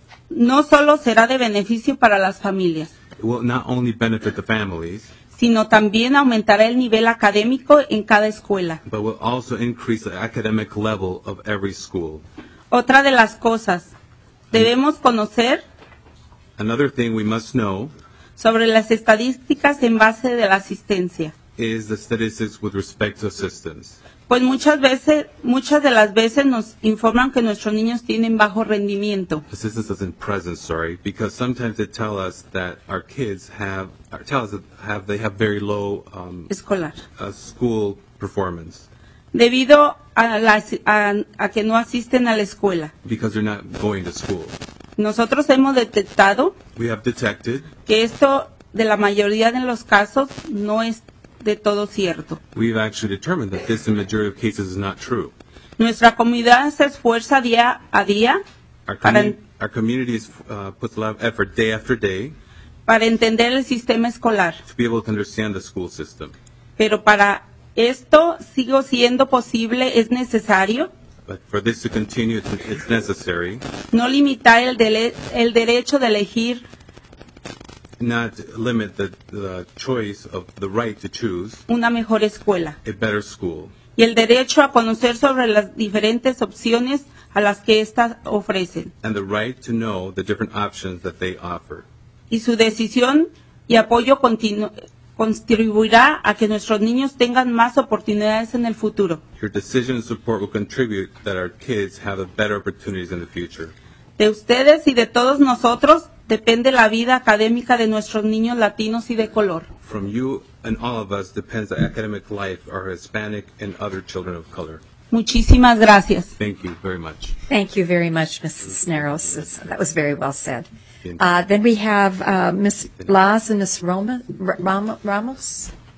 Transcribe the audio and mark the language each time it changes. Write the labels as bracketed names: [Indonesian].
[Spanish] No solo será de beneficio para las familias. [English] It will not only benefit the families. [Spanish] Sino también aumentará el nivel académico en cada escuela. [English] But will also increase the academic level of every school. [Spanish] Otra de las cosas debemos conocer. [English] Another thing we must know. [Spanish] Sobre las estadísticas en base de la asistencia. [English] Is the statistics with respect to assistance. [Spanish] Pues muchas de las veces nos informan que nuestros niños tienen bajo rendimiento. [English] Assistance is in present, sorry, because sometimes they tell us that our kids have very low [Spanish] escolar. [English] School performance. [Spanish] Debido a que no asisten a la escuela. [English] Because they're not going to school. [Spanish] Nosotros hemos detectado [English] We have detected [Spanish] que esto de la mayoría de los casos no es de todo cierto. [English] We've actually determined that this in majority of cases is not true. [Spanish] Nuestra comunidad se esfuerza día a día. [English] Puts a lot of effort day after day. [Spanish] Para entender el sistema escolar. [English] To be able to understand the school system. [Spanish] Pero para esto sigo siendo posible, es necesario. [English] But for this to continue, it's necessary. [Spanish] No limitar el derecho de elegir. [English] Not limit the choice of the right to choose [Spanish] una mejor escuela. [English] A better school. [Spanish] Y el derecho a conocer sobre las diferentes opciones a las que estas ofrecen. [English] And the right to know the different options that they offer. [Spanish] Y su decisión y apoyo contribuirá a que nuestros niños tengan más oportunidades en el futuro. [English] Your decision and support will contribute that our kids have a better opportunities in the future. [Spanish] De ustedes y de todos nosotros depende la vida académica de nuestros niños latinos y de color. [English] From you and all of us depends the academic life of our Hispanic and other children of color. [Spanish] Muchísimas gracias. [English] Thank you very much. Thank you very much, Mrs. Narros. That was very well said. Then we have Ms. Laz and Ms. Ramos.